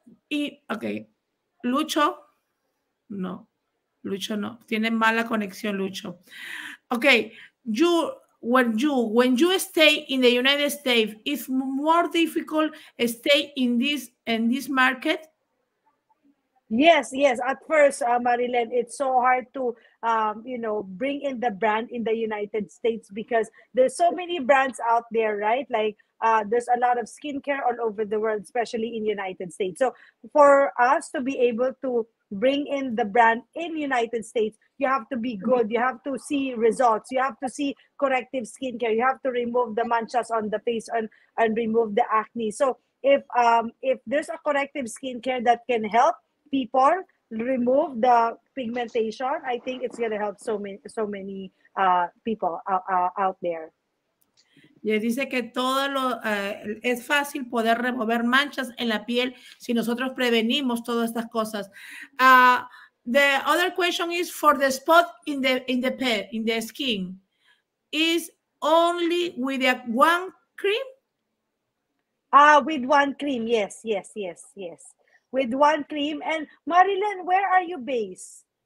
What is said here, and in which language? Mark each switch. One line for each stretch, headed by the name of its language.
Spanish: Okay, Lucho, no, Lucho no, tiene mala conexión, Lucho.
English: Okay, when you stay in the United States, it's more difficult stay in this market? Yes, yes. At first, Marilyn, it's so hard to, you know, bring in the brand in the United States because there's so many brands out there, right? Like there's a lot of skincare all over the world, especially in United States. So for us to be able to bring in the brand in United States, you have to be good. You have to see results. You have to see corrective skincare. You have to remove the manchas on the face and remove the acne. So if there's a corrective skincare that can help people remove the pigmentation, I think it's going to help so many people out there.
Spanish: Yeah, dice que todo lo es fácil poder remover manchas en la piel si nosotros prevenimos todas estas cosas.
English: The other question is for the spot in the skin, is only with the one cream? With one cream, yes, yes, yes, yes. With one cream. And Marilyn, where are you based?